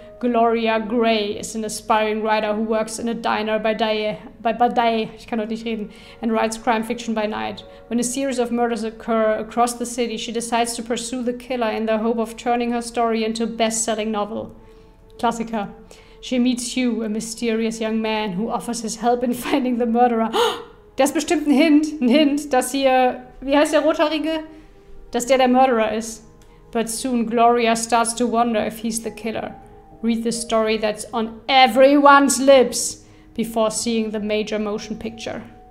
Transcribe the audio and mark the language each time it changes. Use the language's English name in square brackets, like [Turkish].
[English] Gloria Gray is an aspiring writer who works in a diner by day, [German] ich kann heute nicht reden, [English] and writes crime fiction by night. When a series of murders occur across the city, she decides to pursue the killer in the hope of turning her story into a best-selling novel. Klassiker. She meets Hugh, a mysterious young man who offers his help in finding the murderer. [German] Das ist bestimmt ein Hint, dass hier, wie heißt der Rothaarige? Dass der Mörderer ist. [English] But soon Gloria starts to wonder if he's the killer. Read the story that's on everyone's lips before seeing the major motion picture.